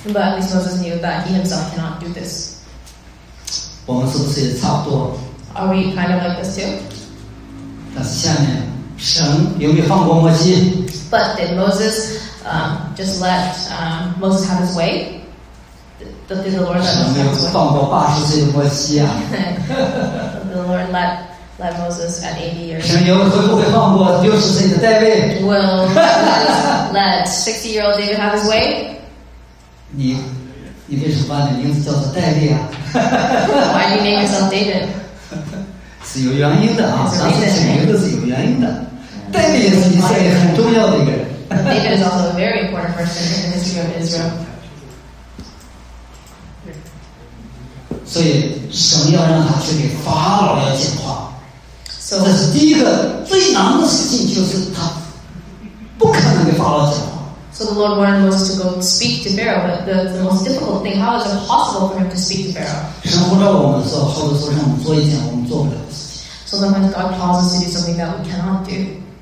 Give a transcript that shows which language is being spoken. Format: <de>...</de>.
<en>But at least Moses knew that he himself cannot do this.</en> <zh>我们是不是也差不多？</zh> <en>Are we kind of like this too?</en> <zh>但是下面神有没有放过摩西？</zh> <en>But did Moses just let Moses have his way? Did the Lord let Moses have his way?</en> <zh>神没有放过八十岁的摩西啊！</zh> <en>The Lord let Moses at 80 years.</en> <zh>神有会不会放过六十岁的大卫？</zh> <en>Will let 60-year-old David have his way?</en> <zh>你为什么把你名字叫做大卫啊？</zh> <en>Why do you name yourself David?</en> <zh>是有原因的啊，他是请人都是有原因的。戴维也是以色列很重要的一个人。</zh> <en>David is also a very important person in the history of Israel.</en> <zh>所以神要让他去给法老要讲话。</zh> <en>So,</en> <zh>这是第一个最难的事情，就是他不可能给法老讲话。</zh> <en>So the Lord wanted Moses to go speak to Pharaoh, but the most difficult thing, how is it possible for him to speak to Pharaoh?</en> <zh>神呼召我们的时候，或者说让我们做一件我们做不了。</zh> <en>So sometimes God calls us to do something that we cannot do.</en>